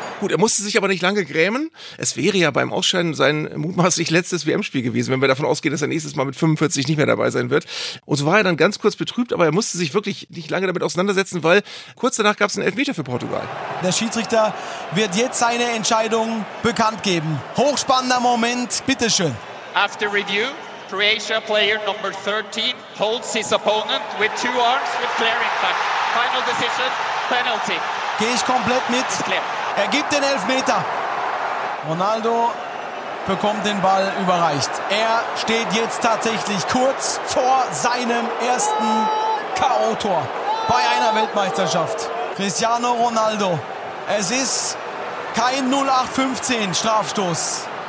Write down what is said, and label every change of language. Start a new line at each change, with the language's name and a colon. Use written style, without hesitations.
German: Gut, er musste sich aber nicht lange grämen. Es wäre ja beim Ausscheiden sein mutmaßlich letztes WM-Spiel gewesen, wenn wir davon ausgehen, dass er nächstes Mal mit 45 nicht mehr dabei sein wird. Und so war er dann ganz kurz betrübt, aber er musste sich wirklich nicht lange damit auseinandersetzen, weil kurz danach gab es einen Elfmeter für Portugal. Der Schiedsrichter wird jetzt seine Entscheidung bekannt geben. Hochspannender Moment, bitteschön.
English: After review, Croatia player number 13 holds his opponent with two arms with flaring back. Final decision, penalty.
German: Gehe ich komplett mit. Er gibt den Elfmeter. Ronaldo bekommt den Ball überreicht. Er steht jetzt tatsächlich kurz vor seinem ersten K.O.-Tor bei einer Weltmeisterschaft. Cristiano Ronaldo. Es ist kein 0815 Strafstoß.